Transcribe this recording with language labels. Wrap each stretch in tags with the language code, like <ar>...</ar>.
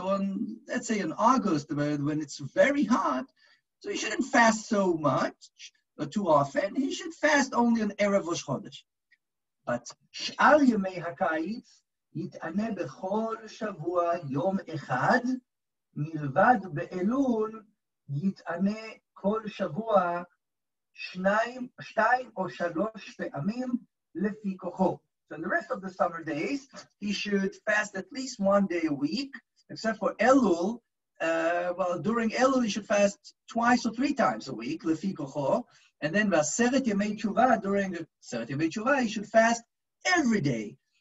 <en>So on, let's say in August, when it's very hot, so he shouldn't fast so much, but too often, he should fast only on ערב ראש חודש. But</en> <he>שאר ימי הקיץ יתענה בכל שבוע יום אחד, מלבד באלול יתענה כל שבוע שתיים או שלוש פעמים לפי כוחו.</he> <en>So in the rest of the summer days, he should fast at least one day a week, except for Elul. Well, during Elul, he should fast twice or three times a week,</en> <he>לפי כוחו.</he> <en>And then בעשרת ימי תשובה, during עשרת ימי תשובה, he should fast every day.</en>